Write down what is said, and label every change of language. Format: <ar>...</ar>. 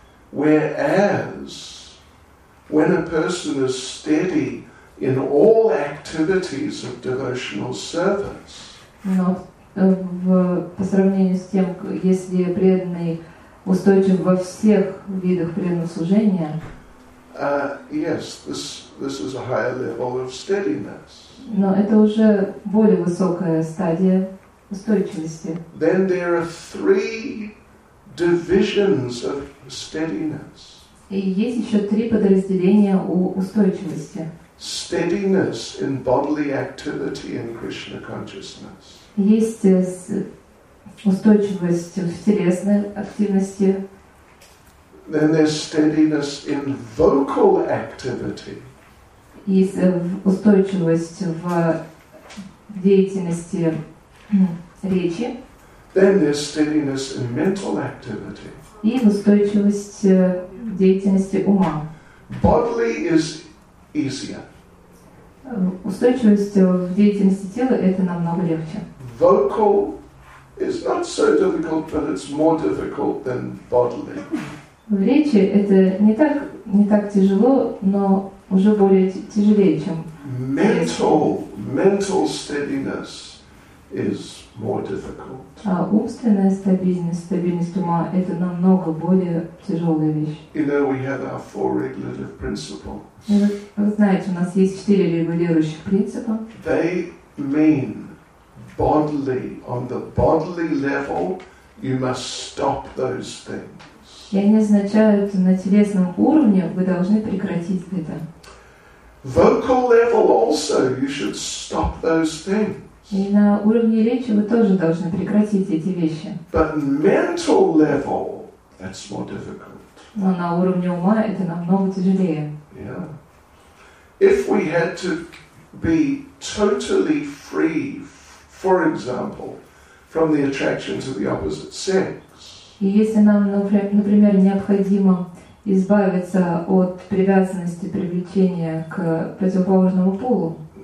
<en>Whereas when a person is steady in all activities of devotional service.</en> <ru>Но по сравнению с тем, если преданный устойчив во всех видах преданного служения.</ru> <en>Yes, this is a higher level of steadiness.</en> <ru>Но это уже более высокая стадия устойчивости.</ru> <en>Then there are three divisions of steadiness.</en> <ru>И есть еще три подразделения у устойчивости.</ru> <en>Steadiness in bodily activity in Krishna consciousness.</en> <ru>Есть устойчивость в телесной активности.</ru> <en>Then there's steadiness in vocal activity.</en> <ru>Есть устойчивость в деятельности речи.</ru> <en>Then there's steadiness in mental activity.</en> <ru>И устойчивость в деятельности ума.</ru> <en>Bodily is easier.</en> <ru>Устойчивость в деятельности тела – это намного легче.</ru> <en>Vocal is not so difficult, but it's more difficult than bodily.</en> <ru>В речи это не так тяжело, но уже более тяжелее, чем.</ru> <en>Mental steadiness is more difficult.</en> <ru>А умственная стабильность ума – это намного более тяжелая вещь.</ru> <en>You know, we have our four regulative principles.</en> <ru>Вы знаете, у нас есть четыре регулирующих принципа.</ru> <en>They mean bodily. On the bodily level, you must stop those things.</en> <ru>И они означают, на телесном уровне вы должны прекратить это.</ru> <en>Vocal level also, you should stop those things.</en> <ru>И на уровне речи вы тоже должны прекратить эти вещи.</ru> <en>But mental level, that's more difficult.</en> <ru>Но на уровне ума это намного тяжелее.</ru> <en>Yeah. If we had to be totally free, for example, from the attraction to the opposite sex.</en> <ru>И если нам, например, необходимо избавиться от привязанности привлечения к противоположному полу.</ru>